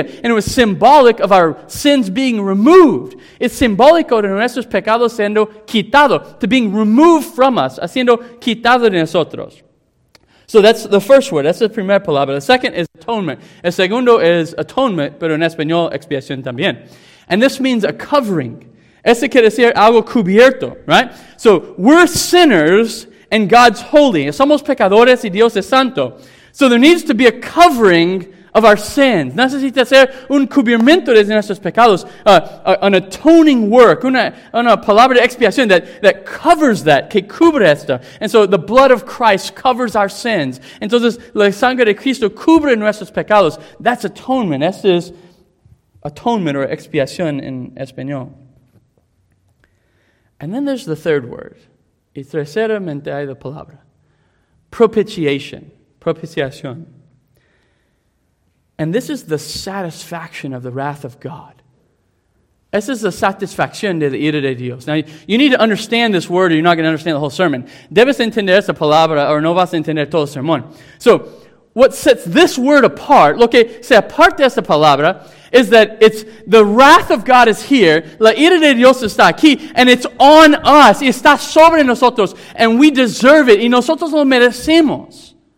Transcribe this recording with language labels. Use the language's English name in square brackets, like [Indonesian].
[English] And it was symbolic of our sins being removed. [Spanish] Es simbólico de nuestros pecados siendo quitado, [English] to being removed from us, [Spanish] haciendo quitado de nosotros. [English] So that's the first word. That's the [Spanish] primera palabra. [English] The second is atonement. [Spanish] El segundo is atonement, pero en español, expiación también. [English] And this means a covering. [Spanish] Ese quiere decir algo cubierto, right? [English] So we're sinners and God's holy. [Spanish] Somos pecadores y Dios es santo. [English] So there needs to be a covering of our sins. [Spanish] Necesita ser un cubrimiento de nuestros pecados. [English] An atoning work. [Spanish] Una palabra de expiación [English] that covers that. [Spanish] Que cubre esto. [English] And so the blood of Christ covers our sins. [Spanish] Entonces la sangre de Cristo cubre nuestros pecados. [English] That's atonement. [Spanish] Esto es atonement or expiación en español. [English] And then there's the third word. [Spanish] Y terceramente hay la palabra. [English] Propitiation. Propiciación. And this is the satisfaction of the wrath of God. [Spanish] Esa es la satisfacción de la ira de Dios. [English] Now, you need to understand this word or you're not going to understand the whole sermon. [Spanish] Debes entender esa palabra o no vas a entender todo el sermón. [English] So, what sets this word apart, [Spanish] lo que se aparta esa palabra, [English] is that it's the wrath of God is here, [Spanish] la ira de Dios está aquí, [English] and it's on us, [Spanish] y está sobre nosotros, [English] and we deserve it, [Spanish] y nosotros lo merecemos.